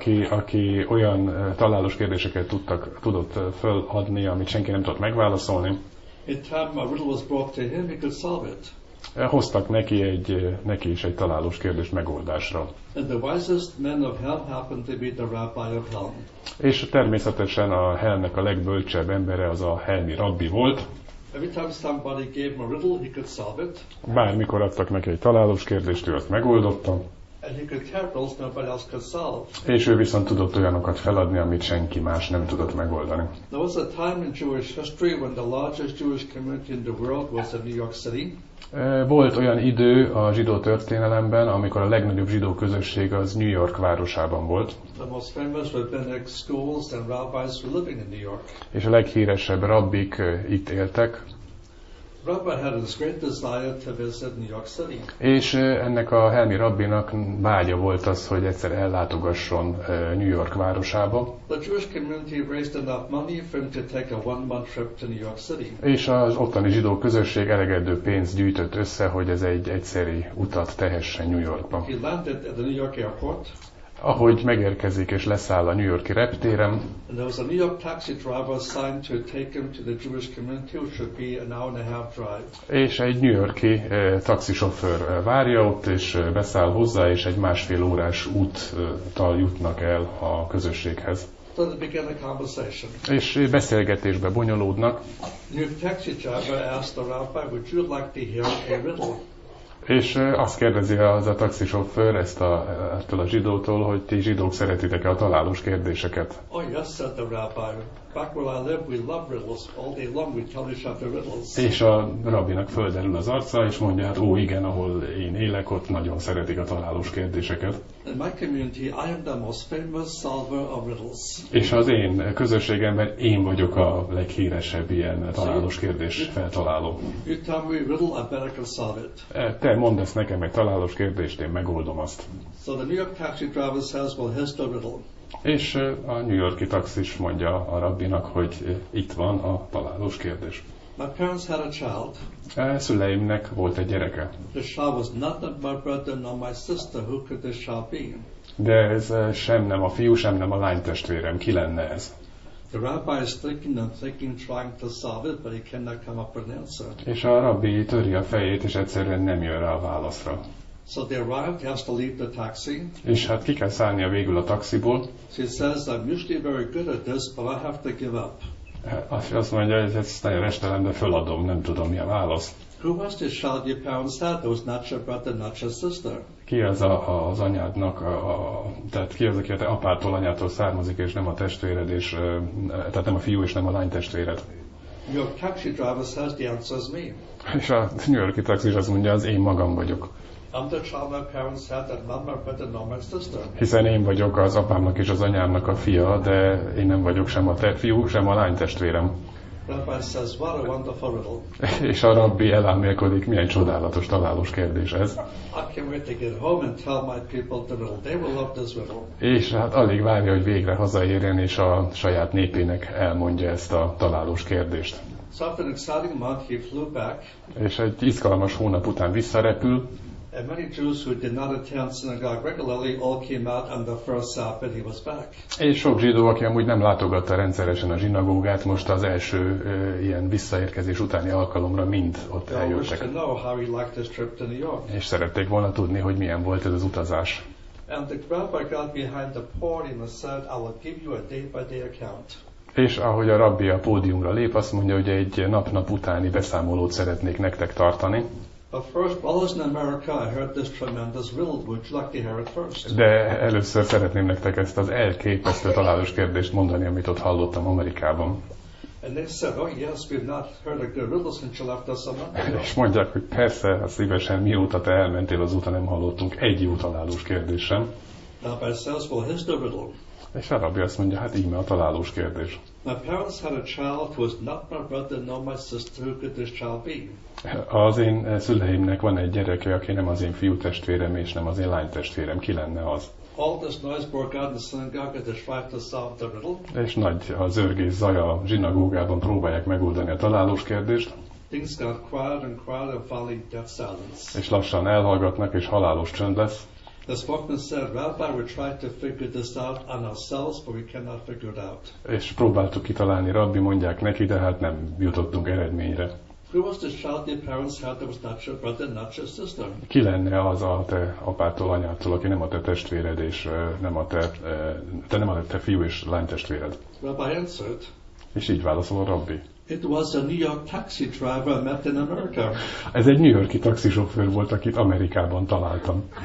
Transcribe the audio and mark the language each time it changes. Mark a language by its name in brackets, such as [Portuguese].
[Hungarian] Aki olyan találós kérdéseket tudott föladni, amit senki nem tudott megválaszolni. [English] It time a riddle was brought to him, he could solve it. [Hungarian] Hoztak neki is egy találós kérdést megoldásra. [English] And the wisest man of Helm happened to be the rabbi of Helm. [Hungarian] És természetesen a Helmnek a legbölcsebb embere az a helmi rabbi volt. [English] Every time somebody gave him a riddle, he could solve it. [Hungarian] Bármikor adtak neki egy találós kérdést, ő azt megoldotta. [English] And he could tell rules nobody else could solve. [Hungarian] És ő viszont tudott olyanokat feladni, amit senki más nem tudott megoldani. [English] There was a time in Jewish history when the largest Jewish community in the world was in New York City. [Hungarian] Volt olyan idő a zsidó történelemben, amikor a legnagyobb zsidó közösség az New York városában volt. [English] The most famous rabbinic schools and rabbis were living in New York. [Hungarian] És a leghíresebb rabbik itt éltek. [English] Rabbi had this great desire to visit New York City. [Hungarian] És ennek a helmi rabbinak vágya volt az, hogy egyszer ellátogasson New York városába. [English] The Jewish community raised enough money for him to take a one-month trip to New York City. [Hungarian] És az ottani zsidó közösség elegendő pénzt gyűjtött össze, hogy ez egy egyszeri utat tehessen New Yorkba. [English] He landed at the New York airport. [Hungarian] Ahogy megérkezik és leszáll a New Yorki reptéren. [English] And there was a New York taxi driver assigned to take him to the Jewish community, which should be an hour and a half drive. [Hungarian] És egy New Yorki taxisofőr várja ott, és beszáll hozzá, és egy másfél órás úttal jutnak el a közösséghez. [English] So they began a conversation. [Hungarian] És beszélgetésbe bonyolódnak. [English] New taxi driver asked the rabbi, would you like to hear a riddle? [Hungarian] És azt kérdezi az a taxisofőr ezt a, ettől a zsidótól, hogy ti zsidók szeretitek-e a találós kérdéseket? [English] Oh yes, said the rabbi. Back where I live, we love riddles. All day long we tell each other riddles. [Hungarian] És a rabbinak földerül az arca, és mondja, hát ó, igen, ahol én élek, ott nagyon szeretik a találós kérdéseket. [English] In my community, I am the most famous solver of riddles. [Hungarian] És az én közösségemben én vagyok a leghíresebb ilyen találós kérdés feltaláló. [English] You tell me a riddle, I better can solve it. [Hungarian] Te mondasz nekem egy találós kérdést, én megoldom azt. [English] So the New York taxi driver says, well, here's the riddle. [Hungarian] És a New Yorki taxis mondja a rabbinak, hogy itt van a találós kérdés. [English] My parents had a child. [Hungarian] Szüleimnek volt egy gyereke. [English] The child was not my brother nor my sister. Who could this child be? [Hungarian] De ez sem nem a fiú, sem nem a lány testvérem. Ki lenne ez? [English] The rabbi is thinking and thinking, trying to solve it, but he cannot come up with an answer. [Hungarian] És a rabbi törje a fejét, és egyszerűen nem jön rá a válaszra. [English] So they arrived, he has to leave the taxi. [Hungarian] És hát ki kell szállnia végül a taxiból. [English] She says, I'm usually very good at this, but I have to give up. [Hungarian] Azt mondja, hogy ez nagyon restelem, de föladom, nem tudom mi a válasz. [English] Who was this child your parents had? It was not your brother, not your sister. [Hungarian] Ki az az anyádnak, tehát ki az, aki a te apától, anyától származik, és nem a testvéred, és, tehát nem a fiú, és nem a lány testvéred. [English] Your taxi driver says the answer is me. [Hungarian] És a New York-i taxis azt mondja, az én magam vagyok. [English] I'm the child my parents had, and not my brother nor my sister. [Hungarian] Hiszen én vagyok az apámnak és az anyámnak a fia, de én nem vagyok sem a te fiú, sem a lány testvérem. [English] Rabbi says, what a wonderful riddle. [Hungarian] És a rabbi elámélkodik, milyen csodálatos találós kérdés ez. [English] I can't wait to get home and tell my people the riddle. They will love this riddle. [Hungarian] És hát alig várja, hogy végre hazaérjen és a saját népének elmondja ezt a találós kérdést. [English] So after an exciting month, he flew back. [Hungarian] És egy izgalmas hónap után visszarepül. [English] And many Jews who did not attend synagogue regularly all came out on the first Sabbath he was back. [Hungarian] És sok zsidó, aki amúgy nem látogatta rendszeresen a zsinagógát, most az első ilyen visszaérkezés utáni alkalomra mind ott eljöttek. [English] They wanted to know how he liked his trip to New York. [Hungarian] És szerették volna tudni, hogy milyen volt ez az utazás. [English] And the rabbi got behind the podium and said, I will give you a day-by-day account. [Hungarian] És ahogy a rabbi a pódiumra lép, azt mondja, hogy egy nap-nap utáni beszámolót szeretnék nektek tartani. [English] But first, while I was in America, I heard this tremendous riddle. Would you like to hear it first? [Hungarian] De először szeretném nektek ezt az elképesztő találós kérdést mondani, amit ott hallottam Amerikában. [English] And they said, oh yes, we've not heard a good riddle since you left us a month ago. [Hungarian] És mondják, hogy persze, hát szívesen, mióta te elmentél, azóta nem hallottunk egy jó találós kérdést sem. [English] Rabbi says, well, here's the riddle. [Hungarian] És a rabbi azt mondja, hát íme a találós kérdés. [English] My parents had a child who was not my brother nor my sister. Who could this child be? [Hungarian] Az én szüleimnek van egy gyereke, aki nem az én fiú testvérem és nem az én lány testvérem. Ki lenne az? [English] All this noise broke out in the synagogue as they tried to solve the riddle. [Hungarian] És nagy a zörgés zaj a zsinagógában, próbálják megoldani a találós kérdést. [English] Things got quieter and quieter and finally death silence. [Hungarian] És lassan elhallgatnak és halálos csönd lesz. [English] The spokesman said, Rabbi, we tried to figure this out on ourselves, but we cannot figure it out. [Hungarian] És próbáltuk kitalálni, rabbi, mondják neki, de hát nem jutottunk eredményre. [English] Who was the child your parents had that was not your brother, not your sister? [Hungarian] Ki lenne az a te apától, anyától, aki nem a te testvéred, és nem a te nem a te fiú és lány testvéred? [English] Rabbi answered. [Hungarian] És így válaszol a rabbi. [English] It was a New York taxi driver I met in America. [Hungarian] Ez egy New York-i taxisofőr volt, akit Amerikában találtam.